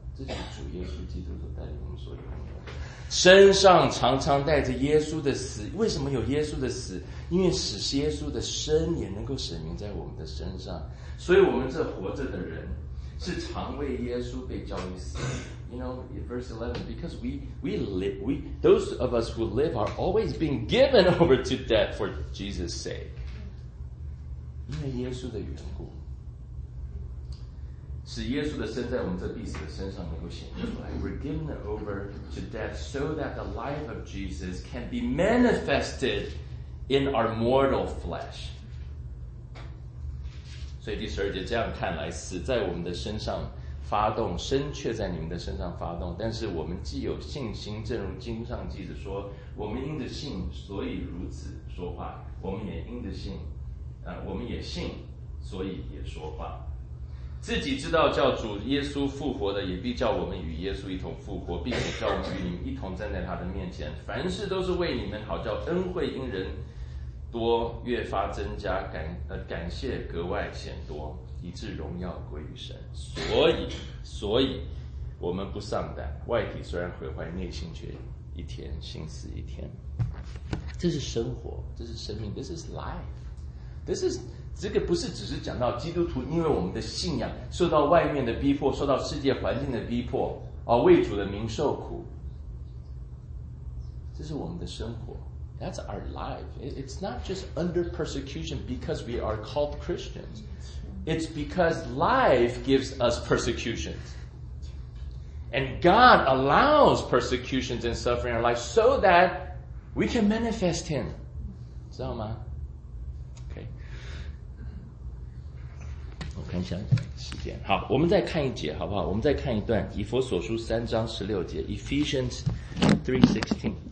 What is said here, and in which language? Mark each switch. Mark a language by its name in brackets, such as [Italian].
[Chinese] 这是主耶稣基督所带领我们所拥有的，身上常常带着耶稣的死。为什么有耶稣的死？因为使耶稣的生也能够显明在我们的身上。所以我们这活着的人是常为耶稣被交于死。 [English] You know, verse 11, because we live, those of us who live are always being given over to death for Jesus' sake. [Chinese] 因为耶稣的缘故，使耶稣的身在我们这彼此的身上能够显出来。 [English] We're given over to death so that the life of Jesus can be manifested in our mortal flesh. [Chinese] 所以第十二节这样看来，死在我们的身上发动，生却在你们的身上发动。但是我们既有信心，正如经上记着说，我们因着信，所以如此说话；我们也因着信，我们也信，所以也说话。自己知道叫主耶稣复活的，也必叫我们与耶稣一同复活，并且叫我们与你们一同站在他的面前。凡事都是为你们好，叫恩惠因人多越发增加，感谢格外显多，以致荣耀归于神。所以我们不丧胆，外体虽然毁坏，内心却一天心思一天。这是生活，这是生命， [English] This is life. This is... [Chinese] 这个不是只是讲到基督徒因为我们的信仰受到外面的逼迫，受到世界环境的逼迫而为主的名受苦，这是我们的生活。 [English] That's our life. It's not just under persecution because we are called Christians. It's because life gives us persecutions. And God allows persecutions and suffering in our life so that we can manifest Him. [Chinese] 知道吗？看一下时间，好，我们再看一节好不好？我们再看一段以弗所书三章十六节 Ephesians 3:16。